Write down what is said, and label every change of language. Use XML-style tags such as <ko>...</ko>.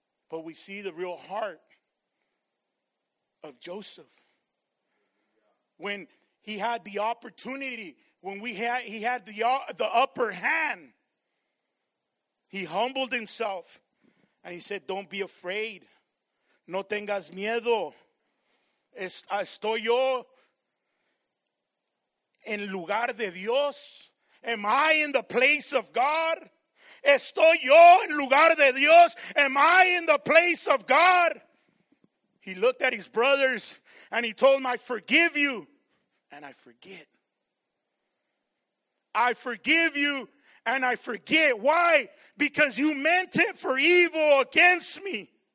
<en>But we see the real heart of Joseph. When he had the opportunity, when he had the upper hand, he humbled himself and he said, don't be afraid.</en> <es>No tengas miedo. Estoy yo en lugar de Dios.</es> <en>Am I in the place of God?</en> <es>Estoy yo en lugar de Dios.</es> <en>Am I in the place of God? He looked at his brothers and he told them, I forgive you and I forget. I forgive you and I forget. Why? Because you meant it for evil against me.</en>